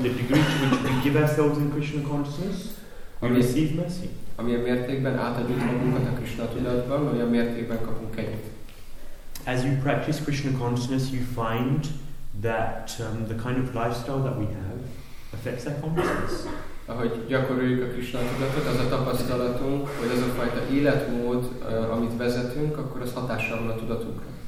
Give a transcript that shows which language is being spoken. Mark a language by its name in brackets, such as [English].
[English] The degree to which we give ourselves in Krishna consciousness, we receive mercy. [Hungarian] Ami a mértékben átadjuk magunkat a Krishna tudatban, ami a mértékben kapunk kegyet. [English] As you practice Krishna consciousness, you find that the kind of lifestyle that we have affects our consciousness. [Hungarian] Ahogy gyakoroljuk a Krishna tudatot, az a tapasztalatunk, hogy ez a fajta életmód, amit vezetünk, akkor az hatással van a tudatunkra.